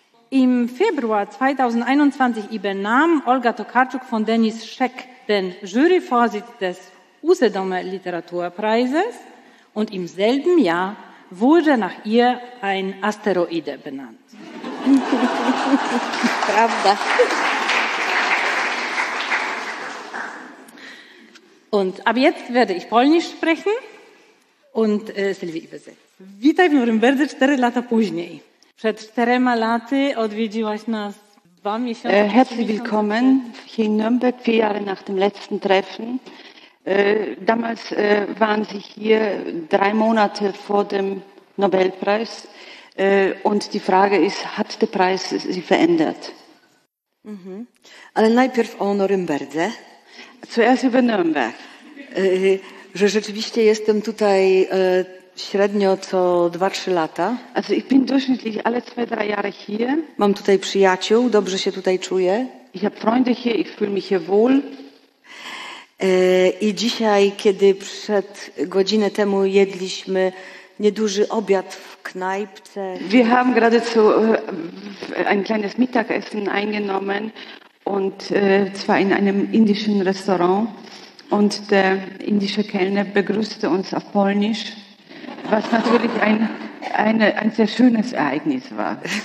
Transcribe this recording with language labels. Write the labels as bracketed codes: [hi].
[de] Im Februar 2021 übernahm Olga Tokarczuk von Denis Scheck den Juryvorsitz des Usedomer Literaturpreises und im selben Jahr wurde nach ihr ein Asteroide benannt. [pl] Pravda. [de] Und ab jetzt werde ich Polnisch sprechen und Sylwii übersetzen. [pl] Witaj w Norymberdze 4 lata później. Przed 4 laty odwiedziłaś nas 2 miesiące. [de] Herzlich willkommen hier in Nürnberg, 4 Jahre nach dem letzten Treffen. Damals waren Sie hier 3 Monate vor dem Nobelpreis. Und die Frage ist, hat der Preis Sie verändert? [pl] Mhm. Ale najpierw o Norymberdze. [de] Zuerst über Nürnberg. [pl] Że rzeczywiście jestem tutaj średnio co 2-3 lata. [de] Also ich bin durchschnittlich alle 2-3 Jahre hier. [pl] Mam tutaj przyjaciół, dobrze się tutaj czuję. [de] Ich habe Freunde hier, ich fühle mich hier wohl. [pl] I dzisiaj, kiedy przed godzinę temu jedliśmy nieduży obiad w knajpce. [de] Wir haben geradezu ein kleines Mittagessen eingenommen und zwar in einem indischen Restaurant und der indische Kellner begrüßte uns auf Polnisch. Was natürlich ein sehr schönes Ereignis war.